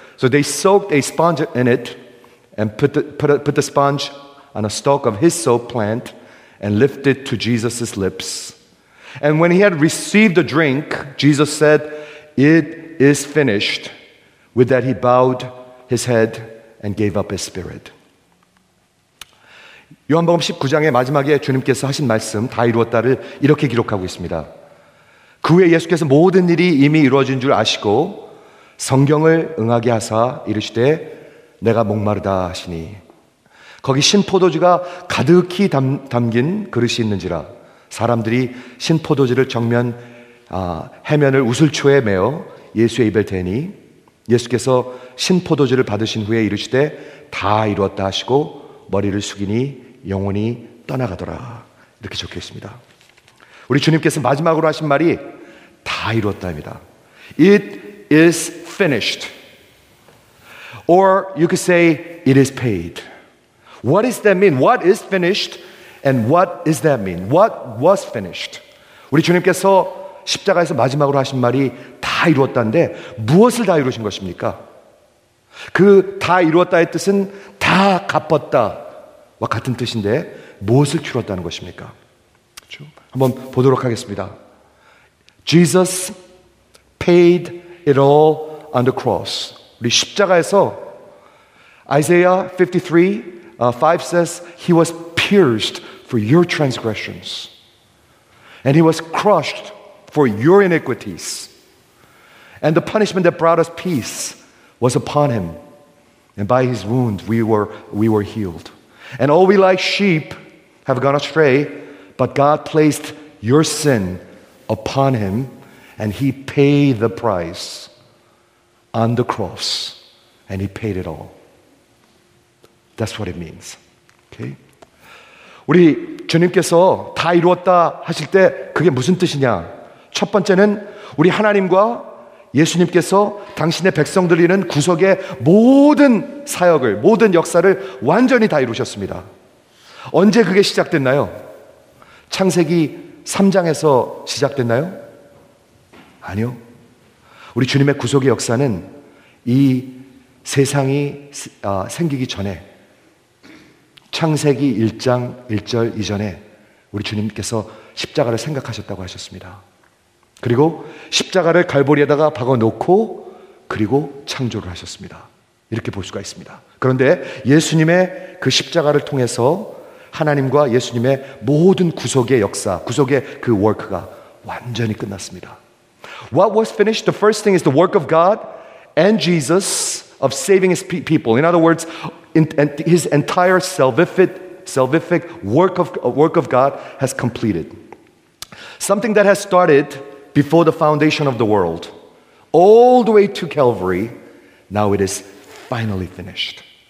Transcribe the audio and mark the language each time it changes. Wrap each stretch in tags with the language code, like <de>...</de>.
<en>So they soaked a sponge in it and put the sponge on a stalk of hyssop plant and lifted it to Jesus' lips. And when he had received the drink, Jesus said, "It is finished." With that, he bowed his head and gave up his spirit.</en> <ko>요한복음 19장의 마지막에 주님께서 하신 말씀, 다 이루었다를 이렇게 기록하고 있습니다. 그 후에 예수께서 모든 일이 이미 이루어진 줄 아시고 성경을 응하게 하사 이르시되 내가 목마르다 하시니 거기 신포도주가 가득히 담긴 그릇이 있는지라 사람들이 신포도주를 정면 해면을 우슬초에 메어 예수의 입에 대니 예수께서 신포도주를 받으신 후에 이르시되 다 이루었다 하시고 머리를 숙이니 영혼이 떠나가더라. 이렇게 적혀 있습니다. 우리 주님께서 마지막으로 하신 말이 다 이루었다입니다.</ko> <en>It is finished. Or you could say it is paid. What does that mean? What is finished and what does that mean? What was finished?</en> <ko>우리 주님께서 십자가에서 마지막으로 하신 말이 다 이루었다인데 무엇을 다 이루신 것입니까? 그 다 이루었다의 뜻은 다 갚았다와 같은 뜻인데 무엇을 치뤘다는 것입니까? 한번 보도록 하겠습니다.</ko> <en>Jesus paid it all on the cross.</en> <ko>우리 십자가에서</ko> <en>Isaiah 53:5 says he was pierced for your transgressions and he was crushed for your iniquities. And the punishment that brought us peace was upon him. And by his wounds we were healed. And all we like sheep have gone astray, but God placed your sin upon him and he paid the price on the cross, and he paid it all. That's what it means. Okay?</en> <ko>우리 주님께서 다 이루었다 하실 때 그게 무슨 뜻이냐? 첫 번째는 우리 하나님과 예수님께서 당신의 백성들이는 구석의 모든 사역을, 모든 역사를 완전히 다 이루셨습니다. 언제 그게 시작됐나요? 창세기 3장에서 시작됐나요? 아니요. 우리 주님의 구속의 역사는 이 세상이 생기기 전에, 창세기 1장 1절 이전에 우리 주님께서 십자가를 생각하셨다고 하셨습니다. 그리고 십자가를 갈보리에다가 박아놓고 그리고 창조를 하셨습니다. 이렇게 볼 수가 있습니다. 그런데 예수님의 그 십자가를 통해서 하나님과 예수님의 모든 구속의 역사, 구속의 그 워크가 완전히 끝났습니다.</ko> <en>What was finished? The first thing is the work of God and Jesus of saving his people. In other words, his entire salvific work of God has completed. Something that has started before the foundation of the world, all the way to Calvary, now it is finally finished.</en>